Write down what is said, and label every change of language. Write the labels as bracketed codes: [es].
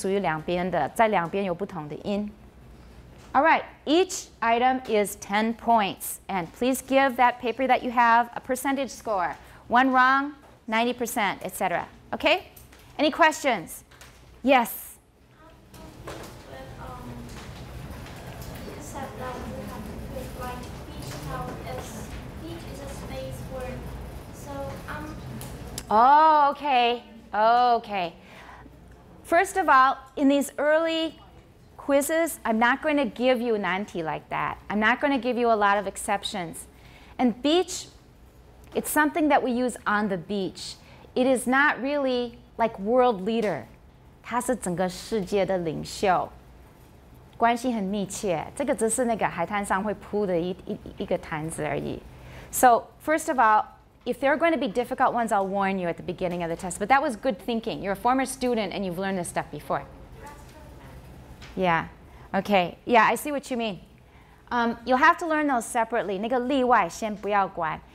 [zh] 有没有G?因为G是属于两边的,在两边有不同的音. [en] All right, each item is 10 points. And please give that paper that you have a percentage score. One wrong, 90%, etc. Okay? Any questions? Yes. Except that we have to write beach towel. Beach is a space word. So, Okay. First of all, in these early quizzes, I'm not going to give you 90 like that. I'm not going to give you a lot of exceptions. And beach, it's something that we use on the beach. It is not really like world leader. [zh] 它是整个世界的领袖, 关系很密切, 这个只是那个海滩上会铺的一个坛子而已. [en] So first of all, if there are going to be difficult ones, I'll warn you at the beginning of the test. But that was good thinking. You're a former student and you've learned this stuff before. Yeah, okay. Yeah, I see what you mean. You'll have to learn those separately. [zh] 那个例外先不要管.